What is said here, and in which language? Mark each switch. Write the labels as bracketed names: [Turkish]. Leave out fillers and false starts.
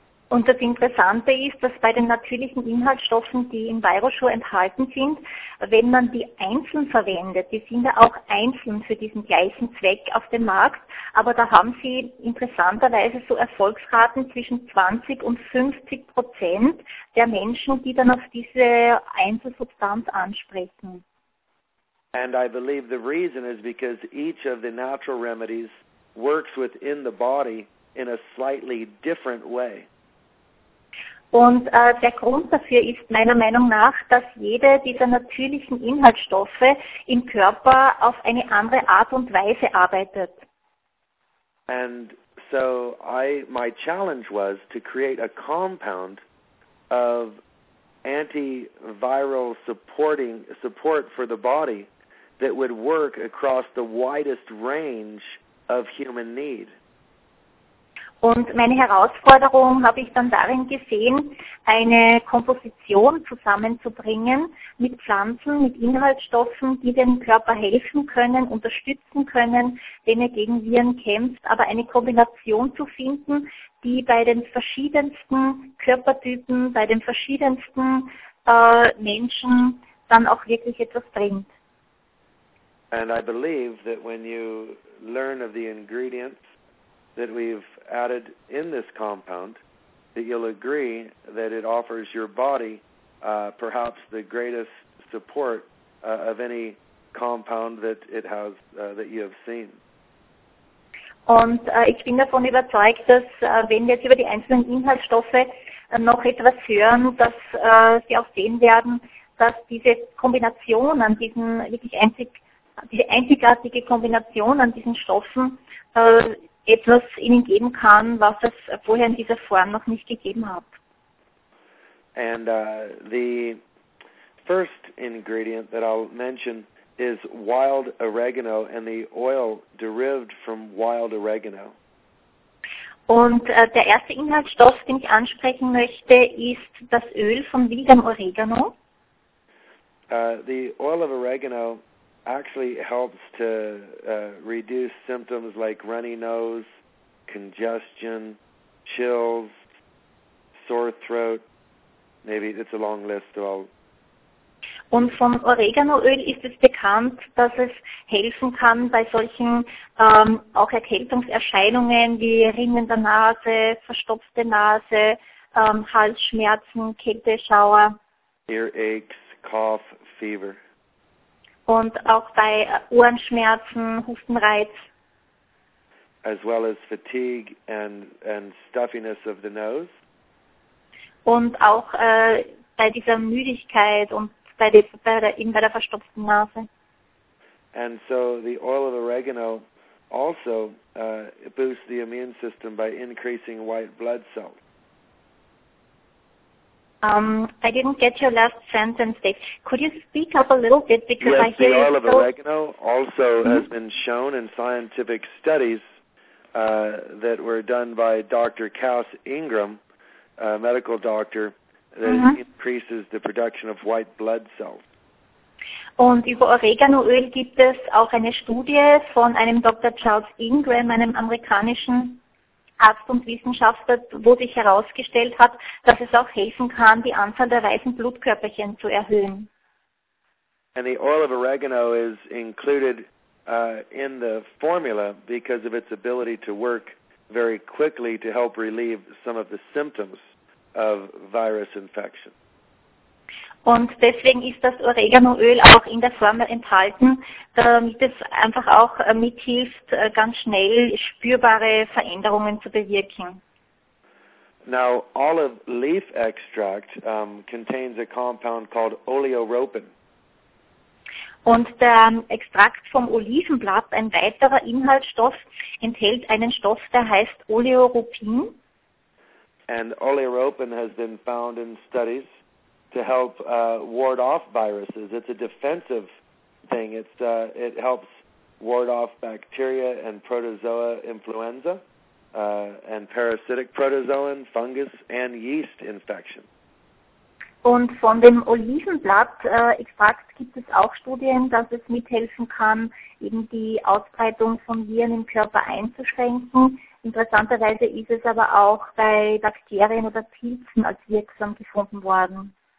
[German] Und das Interessante ist, dass bei den natürlichen Inhaltsstoffen, die im Virasure enthalten sind, wenn man die einzeln verwendet, die sind ja auch einzeln für diesen gleichen Zweck auf dem Markt, aber da haben sie interessanterweise so Erfolgsraten zwischen 20% und 50% der Menschen, die dann auf diese Einzelsubstanz ansprechen. [English] And I believe the reason is because each of the natural remedies works within the body in a slightly different way. [German] Und der Grund dafür ist meiner Meinung nach, dass jede dieser natürlichen Inhaltsstoffe im Körper auf eine andere Art und Weise arbeitet. [English] And so my challenge was to create a compound of antiviral support for the body that would work across the widest range of human need. [German] Und meine Herausforderung habe ich dann darin gesehen, eine Komposition zusammenzubringen mit Pflanzen, mit Inhaltsstoffen, die dem Körper helfen können, unterstützen können, wenn er gegen Viren kämpft, aber eine Kombination zu finden, die bei den verschiedensten Körpertypen, bei den verschiedensten Menschen dann auch wirklich etwas bringt. [English] And I believe that when you learn of the ingredients that we've added in this compound, that you'll agree that it offers your body perhaps the greatest support of any compound that it has that you have seen. [German] Und ich bin davon überzeugt, dass wenn wir jetzt über die einzelnen Inhaltsstoffe noch etwas hören, dass Sie auch sehen werden, dass diese Kombination an diesen wirklich diese einzigartige Kombination an diesen Stoffen etwas ihnen geben kann, was es vorher in dieser Form noch nicht gegeben hat. [English] And the first ingredient that I'll mention is wild oregano and the oil derived from wild oregano. [German] Und der erste Inhaltsstoff, den ich ansprechen möchte, ist das Öl von wildem Oregano. [English] The oil of oregano actually helps to reduce symptoms like runny nose, congestion, chills, sore throat. Maybe it's a long list of all. [German] Und vom Oreganoöl ist es bekannt, dass es helfen kann bei solchen auch Erkältungserscheinungen wie rinnender Nase, verstopfte Nase, Halsschmerzen, Kälteschauer. [English] Earaches, cough, fever. [German] Und auch bei Ohrenschmerzen, Hustenreiz. [English] As well as fatigue and stuffiness of the nose. [German] Und auch bei dieser Müdigkeit und bei der verstopften Nase. [English] And so the oil of oregano also boosts the immune system by increasing white blood cells. I didn't get your last sentence, Dave. Could you speak up a little bit because yes, I hear the oil you of oregano also mm-hmm. has been shown in scientific studies that were done by Dr. Kaus Ingram, a medical doctor, that mm-hmm. increases the production of white blood cells. [German] Und über Oreganoöl gibt es auch eine Studie von einem Dr. Charles Ingram, einem amerikanischen Arzt und Wissenschaftler, wo sich herausgestellt hat, dass es auch helfen kann, die Anzahl der weißen Blutkörperchen zu erhöhen. [English] And the oil of oregano is included in the formula because of its ability to work very quickly to help relieve some of the symptoms of virus infection. [German] Und deswegen ist das Oreganoöl auch in der Formel enthalten, damit es einfach auch mithilft, ganz schnell spürbare Veränderungen zu bewirken. [English] Now, olive leaf extract contains a compound called oleoropin. [German] Und der Extrakt vom Olivenblatt, ein weiterer Inhaltsstoff, enthält einen Stoff, der heißt Oleoropin. [English] And oleoropin has been found in studies to help ward off viruses. It's a defensive thing. It helps ward off bacteria and protozoa influenza and parasitic protozoan, fungus and yeast infection. [German] Und von dem Olivenblatt-Extrakt gibt es auch Studien, dass es mithelfen kann, eben die Ausbreitung von Viren im Körper einzuschränken. Interessanterweise ist es aber auch bei Bakterien oder Pilzen als wirksam gefunden worden.